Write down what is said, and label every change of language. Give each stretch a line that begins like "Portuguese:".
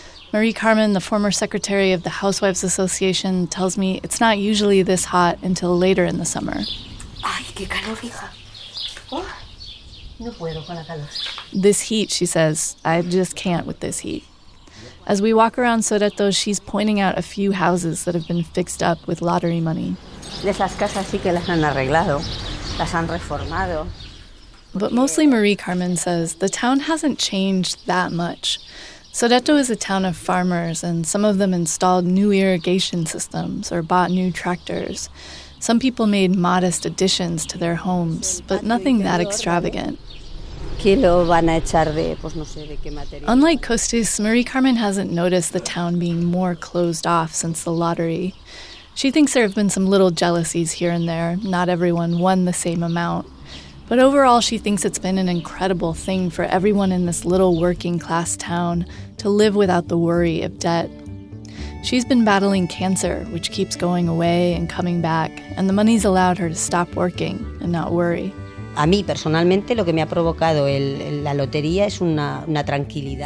English: Marie Carmen, the former secretary of the Housewives Association, tells me it's not usually this hot until later in the summer.
Spanish: Ay, qué calor, hija. No puedo con la calor.
English: This heat, she says, I just can't with this heat. As we walk around Sodeto, she's pointing out a few houses that have been fixed up with lottery money.
Spanish: Esas casas sí que las han arreglado, las han reformado.
English: But mostly Marie Carmen says the town hasn't changed that much. Sodeto is a town of farmers, and some of them installed new irrigation systems or bought new tractors. Some people made modest additions to their homes, but nothing that extravagant. Unlike Costis, Marie Carmen hasn't noticed the town being more closed off since the lottery. She thinks there have been some little jealousies here and there. Not everyone won the same amount. But overall, she thinks it's been an incredible thing for everyone in this little working-class town to live without the worry of debt. She's been battling cancer, which keeps going away and coming back, and the money's allowed her to stop working and not worry.
Spanish: A mí personalmente, lo que me ha provocado la lotería es una tranquilidad.